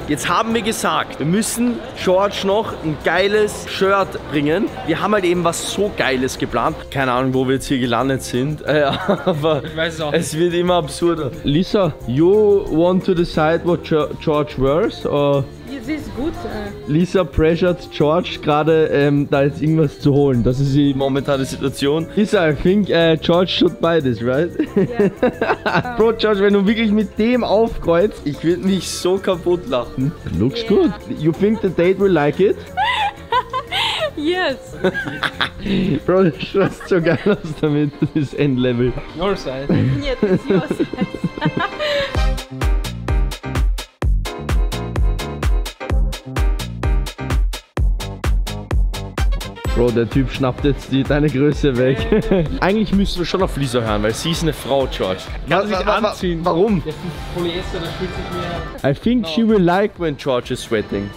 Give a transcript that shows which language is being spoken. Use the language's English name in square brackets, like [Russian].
[German] Jetzt haben wir gesagt, wir müssen George noch ein geiles Shirt bringen. Wir haben halt eben was so Geiles geplant. Keine Ahnung, wo wir jetzt hier gelandet sind. Aber ich weiß es auch. Es wird immer absurder. [English] Lisa, you want to decide what George wears? Or? This is good. [German] Lisa pressured George gerade da jetzt irgendwas zu holen. Das ist die momentane Situation. [English] Lisa, I think George should buy this, right? Yeah. [German] Bro, George, wenn du wirklich mit dem aufkreuzt, ich würde mich so kaputt lachen. [English] Looks yeah. Good. You think the date will like it? Yes. [German] Bro, du schaust so geil aus damit. Das ist Endlevel. [English] Your side. Yeah, this is your side. [German] Bro, der Typ schnappt jetzt deine Größe weg. Eigentlich müssen wir schon auf Lisa hören, weil sie ist eine Frau, George. Kann sich anziehen. Warum? Polyester, da spielt sich mehr. [English] I think she will like when George is sweating.